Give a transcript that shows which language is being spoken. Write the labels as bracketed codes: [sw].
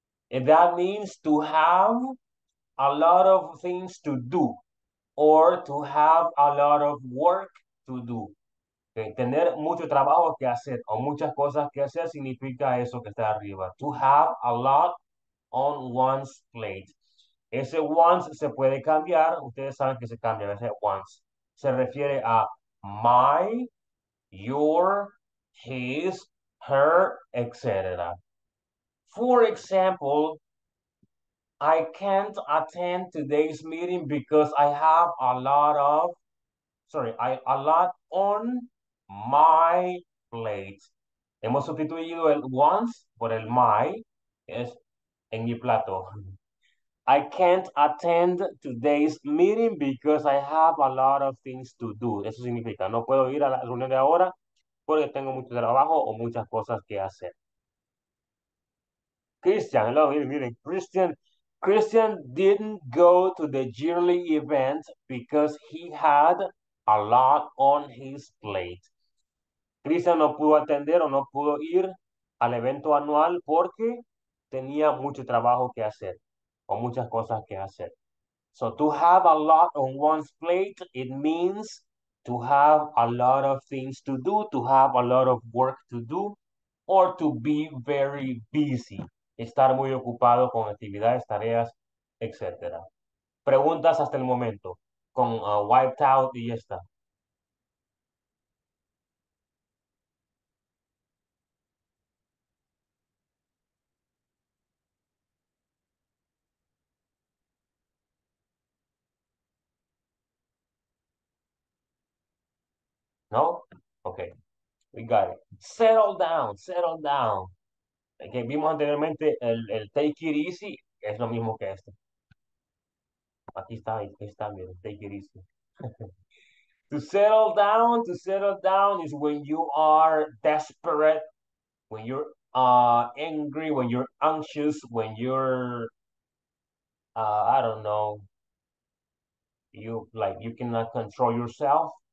[en] And that means to have a lot of things to do. Or to have a lot of work to do. Okay. [es] Tener mucho trabajo que hacer o muchas cosas que hacer significa eso que está arriba. [en] To have a lot on one's plate. [es] Ese once se puede cambiar. Ustedes saben que se cambia. Ese once se refiere a my, your, his, her, etc. [en] For example, I can't attend today's meeting because I have a lot on my plate. [es] Hemos sustituido el once por el my, es en mi plato. [en] I can't attend today's meeting because I have a lot of things to do. [es] Eso significa, no puedo ir a la reunión de ahora porque tengo mucho trabajo o muchas cosas que hacer. [en] Christian, hello, [es] miren, [en] Christian didn't go to the yearly event because he had a lot on his plate. [es] Christian no pudo atender o no pudo ir al evento anual porque tenía mucho trabajo que hacer o muchas cosas que hacer. [en] So to have a lot on one's plate, it means to have a lot of things to do, to have a lot of work to do, or to be very busy. [es] Estar muy ocupado con actividades, tareas, etc. Preguntas hasta el momento. Con wiped out y ya está. [en] No? Okay. We got it. Settle down, settle down. [es] Que vimos anteriormente, el [en] take it easy [es] es lo mismo que este. Aquí está, mira, [en] take it easy. to settle down is when you are desperate, when you're angry, when you're anxious, when you're, I don't know, you like you cannot control yourself.